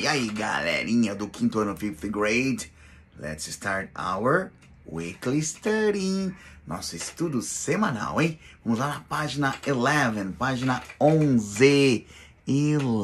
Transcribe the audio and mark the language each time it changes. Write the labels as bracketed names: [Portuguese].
[Portuguese] E aí galerinha do quinto ano, [English] fifth grade! Let's start our weekly study! [Portuguese] Nosso estudo semanal, hein? Vamos lá na página 11, página 11. 11.